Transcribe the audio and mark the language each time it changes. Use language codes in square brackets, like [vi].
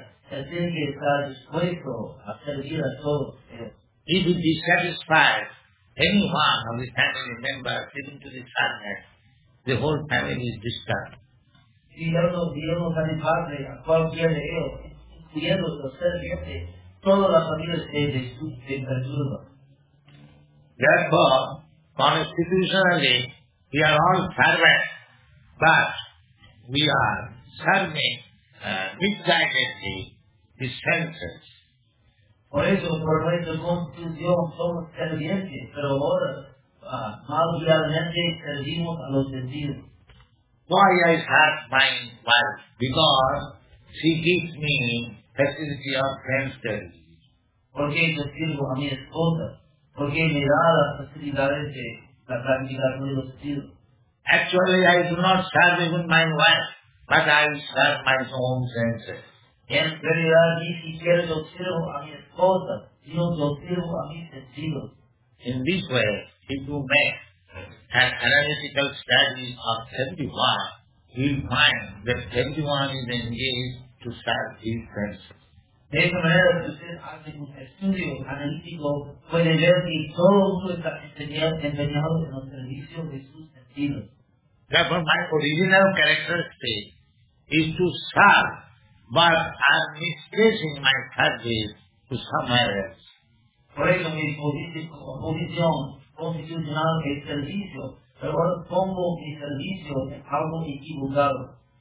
[es] Él tiene que estar dispuesto a servir a todos. [en] If he dissatisfies any one of the family members given to the servant, the whole family is disturbed. [es] Si él no satisface a cualquiera de ellos, incluyendo los servientes, toda la familia se perturba. [en] Therefore, constitutionally, we are all servants, but we are serving misguidedly the senses. [es] Por eso, por nuestra constitución, somos servientes, pero ahora, mal guiadamente, servimos a los sentidos. [en] Why I have my wife? Because she gives me facility of friendship. [es] ¿Por qué yo sirvo a mi esposa? Porque me da las facilidades de la practicar con los sentidos. [en] Actually, I do not serve even my wife, but I serve my own senses. [es] En realidad, ni siquiera yo sirvo a mi esposa, sino yo sirvo a mis sentidos. [en] In this way, if you make an analytical study of 71, you will find that 71 is engaged to serve his senses. [es] De esa manera, si usted hace un estudio analítico, puede ver que todo uno está empeñado en los servicios de sus sentidos. [en] Therefore, my original characteristic is to serve, but I'm misplacing my service to somewhere else. [es] Por eso, mi posición constitucional es servicio, pero ahora pongo mi servicio en algo equivocado.